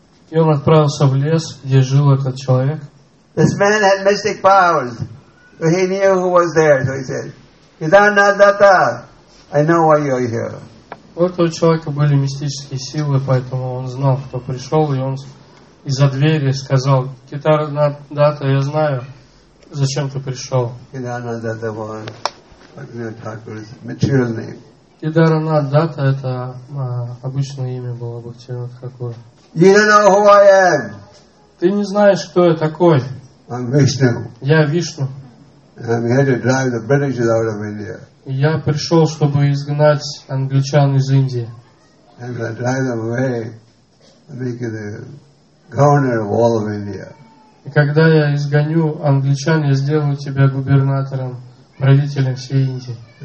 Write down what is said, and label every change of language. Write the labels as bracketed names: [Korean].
[Russian] И он отправился в лес, где жил этот человек. [English] This man had mystic powers, so he knew who was there, so he said, "Hidanadatta, I know why you're here." [Russian] У этого человека были мистические силы, поэтому он знал, кто пришел, и он из-за двери сказал: "Хидананадатта, я знаю, зачем ты пришел." Хидананадатта — это обычное имя было Бхактивинода Тхакура. [English] You don't know who I am. [Russian] Ты не знаешь, кто я такой. [English] I'm Vishnu. [Russian] Я Вишну. [English] I'm here to drive the British out of India. [Russian] Я пришел, чтобы изгнать англичан из Индии. [English] And I drive them away, make it Governor of all of India. [Russian] И когда я изгоню англичан, я сделаю тебя губернатором, правителем всей Индии.